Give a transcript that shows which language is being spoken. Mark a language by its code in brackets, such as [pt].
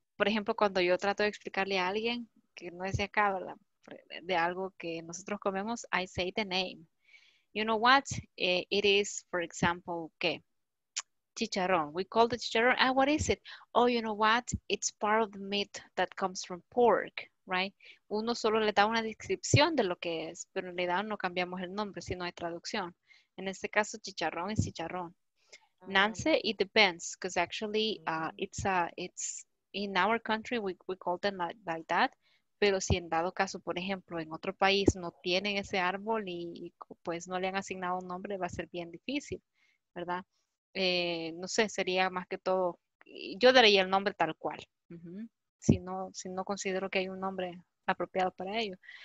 [es] Por ejemplo, cuando yo trato de explicarle a alguien que no es de acá, de algo que nosotros comemos, [en] I say the name. You know what? It is, for example, ¿qué? Chicharrón. We call the chicharrón. Ah, what is it? Oh, you know what? It's part of the meat that comes from pork, right? [es] Uno solo le da una descripción de lo que es, pero en realidad no cambiamos el nombre, si no hay traducción. En este caso, chicharrón es chicharrón. [en] Nance, it depends, because actually it's in our country, we call them like that. [es] Pero si en dado caso, por ejemplo, en otro país no tienen ese árbol y pues no le han asignado un nombre, va a ser bien difícil, ¿verdad? No sé, sería más que todo, yo daría el nombre tal cual, si no considero que hay un nombre apropiado para ello.